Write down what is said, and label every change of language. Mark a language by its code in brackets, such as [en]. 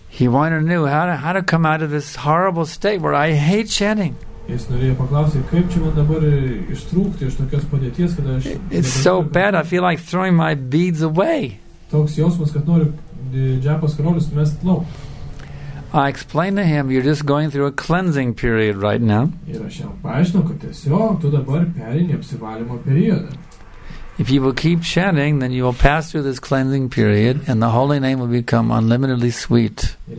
[en] He wanted to know how to come out of this horrible state where I hate chanting. [lt] Jis norėjo paklausti, kaip čia man dabar ištrūkti iš tokios padėties, kad aš... [en] It's so bad, I feel like throwing my beads away. [lt] Toks jausmas, kad noriu džiapas karolius mest lauk. [en] I explained to him, you're just going through a cleansing period right now. If you will keep chanting, then you will pass through this cleansing period and the holy name will become unlimitedly sweet.